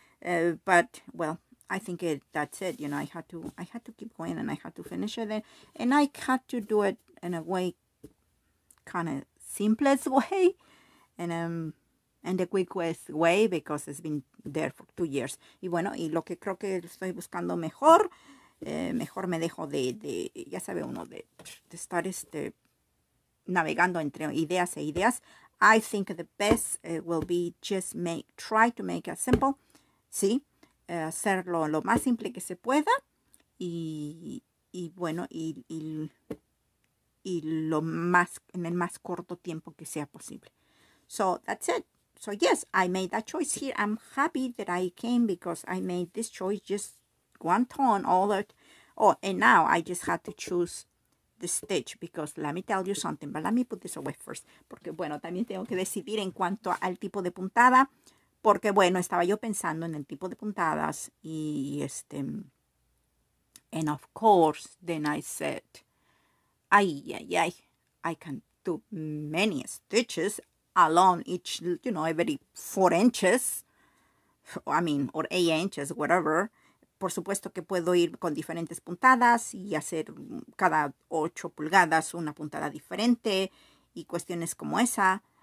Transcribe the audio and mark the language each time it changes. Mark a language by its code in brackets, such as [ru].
[en] But well, I think that's it. You know, I had to keep going and I had to finish it. And I had to do it in a way, kind of simplest way, and the quickest way because it's been there for 2 years. [es] Y bueno, y lo que creo que estoy buscando mejor, mejor me dejo de ya sabe uno de estar navegando entre ideas e ideas. [en] I think the best will be just try to make it simple. [es] Sí, hacerlo lo más simple que se pueda y lo más en el más corto tiempo que sea posible. [en] So that's it. So yes, I made that choice here. I'm happy that I came because I made this choice just one tone all that. Oh, and now I just had to choose the stitch because let me tell you something, but let me put this away first. [es] Porque bueno, también tengo que decidir en cuanto al tipo de puntada. Porque, bueno, estaba yo pensando en el tipo de puntadas y, [en] and of course, then I said, [es] Ay, ay, ay. [en] I can do many stitches along each, you know, every 4 inches. I mean, or 8 inches, whatever. [es] Por supuesto que puedo ir con diferentes puntadas y hacer cada 8 pulgadas una puntada diferente y cuestiones como esa.